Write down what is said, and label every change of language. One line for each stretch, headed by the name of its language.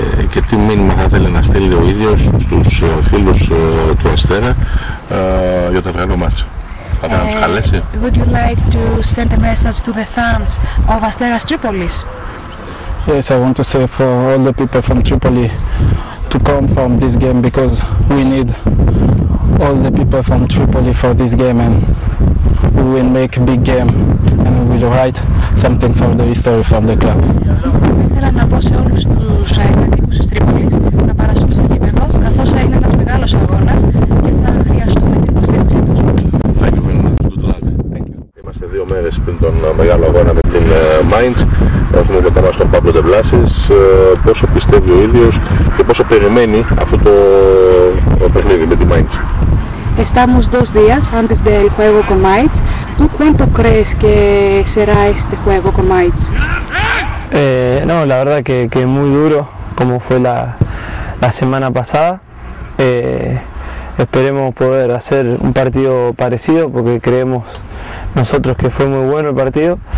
Greek: Και τι μήνυμα θα θέλει να στείλει ο ίδιος στους φίλους του Αστέρα για το αυριανό μάτς? Θα θέλει να τους καλέσει?
English: Would you like to send a message to the fans of Asteras Tripolis? Yes, I want to say for all the people from Tripoli to come from this game because we need all the people from Tripoli for this game and we will make a big game and we will write something for the history from the club.
Greek: Ήθελα να πω σε όλους τους κατοίκους της Τρίπολης να παραστούν στο γήπεδο καθώς θα είναι ένας μεγάλος αγώνας και θα χρειαστούμε την υποστήριξή τους. Είμαστε δύο μέρες πριν τον μεγάλο αγώνα με την Mainz. Έχουμε κοντά μας τον Παύλο Ντεβλάσης. Πόσο πιστεύει ο ίδιος και πόσο περιμένει αυτό το παιχνίδι με τη Mainz?
Spanish: Estamos dos días antes del juego con Mainz. ¿Tú cuánto crees que será este juego con Mainz? No, la verdad que muy duro, como fue la semana pasada. Esperemos poder hacer un partido parecido, porque creemos nosotros que fue muy bueno el partido.